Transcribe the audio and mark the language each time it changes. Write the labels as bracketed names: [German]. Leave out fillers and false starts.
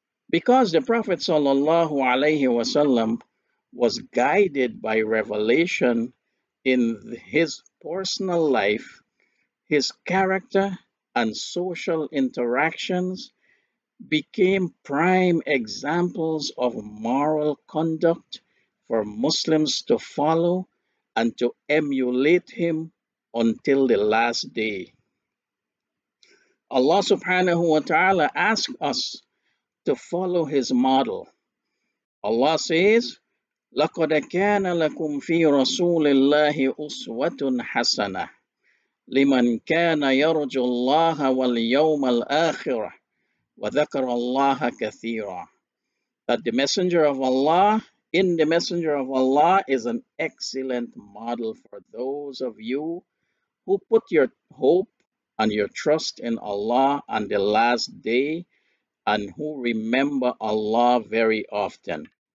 [English] Because the Prophet sallallahu alaihi wasallam was guided by revelation in his personal life, his character and social interactions became prime examples of moral conduct for Muslims to follow and to emulate him until the last day. Allah subhanahu wa ta'ala asked us to follow his model. Allah says, [Arabic] "لَقَدَ كَانَ لَكُمْ فِي رَسُولِ اللَّهِ أُسْوَةٌ حَسَنَةٌ لِمَنْ كَانَ يَرْجُ اللَّهَ وَالْيَوْمَ الْآخِرَةِ وَذَكَرَ اللَّهَ كَثِيرًا." [English] That the Messenger of Allah, in the Messenger of Allah, is an excellent model for those of you who put your hope and your trust in Allah on the last day and who remember Allah very often.